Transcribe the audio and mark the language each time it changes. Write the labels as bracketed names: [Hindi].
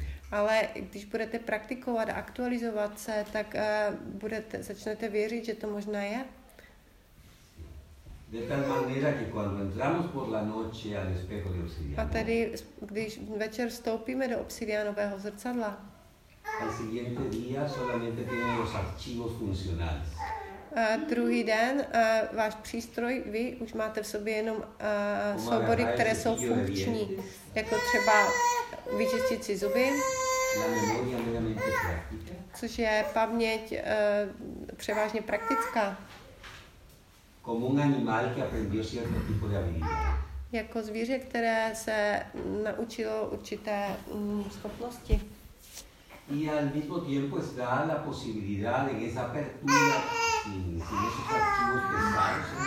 [Czech] Ale když budete praktikovat a aktualizovat se, tak začnete věřit, že to možné je. [Spanish] De tal manera que cuando entramos por la noche al espejo de obsidiana. [Czech] A tedy, když večer vstoupíme do obsidianového zrcadla. [Spanish] Al siguiente día solamente tienen los archivos funcionales. [Czech] Druhý den, váš přístroj, vy už máte v sobě jenom soubory, které jsou funkční. Jako třeba vyčistit si zuby. [Spanish] La memoria meramente práctica. [Czech] Což je paměť převážně praktická. [Spanish] Como un animal que aprendió cierto tipo de habilidad. [Czech] Jako zvíře, které se naučilo určité schopnosti. [Spanish] Y al mismo tiempo está la posibilidad en esa apertura sin esos archivos pesados.